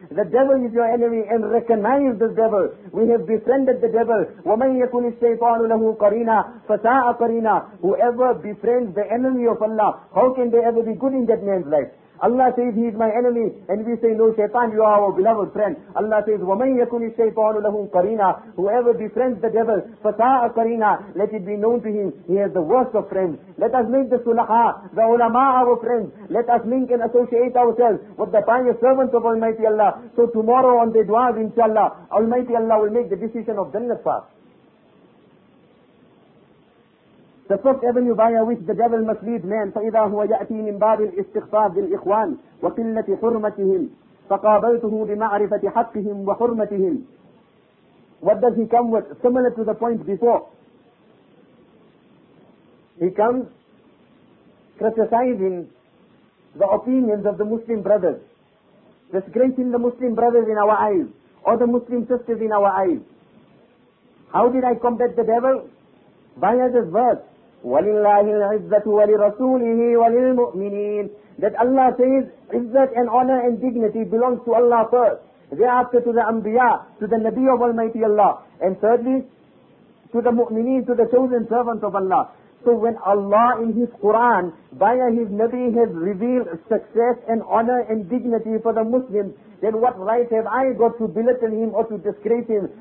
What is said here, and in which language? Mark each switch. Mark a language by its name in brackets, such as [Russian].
[English] The devil is your enemy, and recognize the devil. We have befriended the devil. [Arabic] وَمَنْ يَكُنِ الشَّيْطَانُ لَهُ قَرِينًا فَسَاءَ قَرِينًا. [English] Whoever befriends the enemy of Allah, how can they ever be good in that man's life? Allah says, he is my enemy. And we say, no, shaitan, you are our beloved friend. Allah says, [Arabic] وَمَنْ يَكُنِ الشَّيْطَانُ لَهُمْ قَرِينًا. [English] Whoever befriends the devil, [Arabic] فَسَاءَ قَرِينًا. [English] Let it be known to him, he has the worst of friends. Let us make the sulaha, the ulama our friends. Let us link and associate ourselves with the pious servants of Almighty Allah. So tomorrow on the dua, inshallah, Almighty Allah will make the decision of Jannat for us. The first avenue by which the devil must lead man, [Arabic] فَإِذَا هُوَ يَأْتِي مِنْ بَابِ الْإِسْتِغْفَارِ بِالْإِخْوَانِ وَقِلَّةِ حُرْمَتِهِمْ فَقَابَلْتُهُ بِمَعْرِفَةِ حَقِّهِمْ وَحُرْمَتِهِمْ. [English] What does he come with? Similar to the point before. He comes criticizing the opinions of the Muslim brothers, disgracing the Muslim brothers in our eyes, or the Muslim sisters in our eyes. How did I combat the devil? By this verse, [Arabic] وَلِلَّهِ الْعِزَّةُ وَلِرَسُولِهِ وَلِلْمُؤْمِنِينَ. [English] That Allah says, Izzat and honor and dignity belongs to Allah first. Thereafter to the Anbiya, to the Nabi of Almighty Allah. And thirdly, to the Mu'mineen, to the chosen servants of Allah. So when Allah in His Quran, by His Nabi, has revealed success and honor and dignity for the Muslims, then what right have I got to belittle him or to disgrace him?